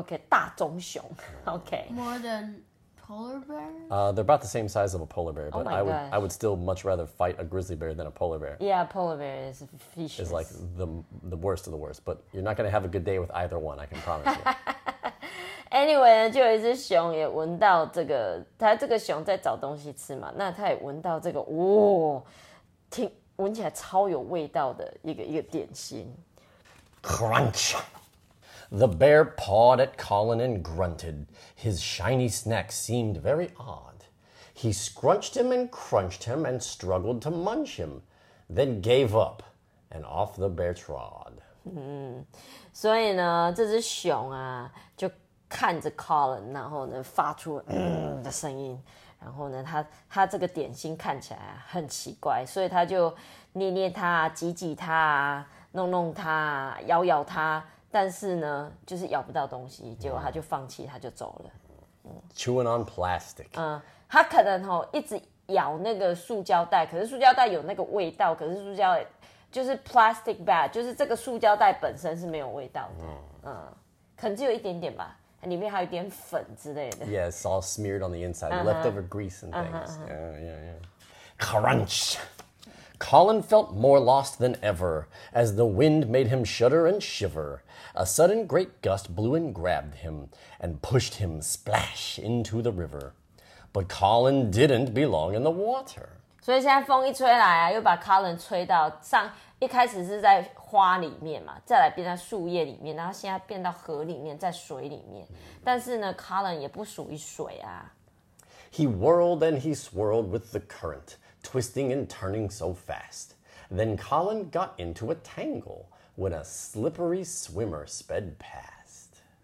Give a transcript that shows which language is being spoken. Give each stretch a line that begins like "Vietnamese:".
Chinese: OK, 大棕熊。OK,
English: more than polar bear. They're about the same size of a polar bear, but、 oh、 I would still much rather fight a grizzly bear than a polar bear. Yeah, polar bear is vicious. It's like the worst of the worst, but you're not going to have a good day with either one, I can promise you.
Chinese: Anyway, 就有一只熊也闻到这个，它这个熊在找东西吃嘛，那它也闻到这个，哦，挺闻起来超有味道的一个点心。
English: Crunch! The bear pawed at Colin and grunted. His shiny snack seemed very odd. He scrunched him and crunched him and struggled to munch him, then gave up, and off the bear trod.
Chinese: 所以呢，这只熊啊，就看着 Colin， 然后呢，发出的声音，然后呢，它这个点心看起来很奇怪，所以它就捏捏它，挤挤它，弄弄它，咬咬它，但是呢，就是咬不到东西，结果它就放弃，它就走了。
English: Chewing on plastic。
Chinese: 它可能吼一直咬那个塑胶袋，可是塑胶袋有那个味道，可是塑胶就是 plastic bag， 就是这个塑胶袋本身是没有味道的。可能只有一点点吧。里面还有点粉之类的。
English: Yeah, it's all smeared on the inside,、uh-huh. leftover grease and things.、Uh-huh. Yeah. Crunch! Colin felt more lost than ever as the wind made him shudder and shiver. A sudden great gust blew and grabbed him and pushed him splash into the river. But Colin didn't belong in the water.
Chinese: 所以现在风一吹来啊，又把 Colin 吹到上，一开始是在花里面嘛，再来变在树叶里面，然后现在变到河里面，在水里面。但是呢 ，Colin 也不属于水啊。
English: He whirled and he swirled with the current, twisting and turning so fast. Then Colin got into a tangle when a slippery swimmer sped past.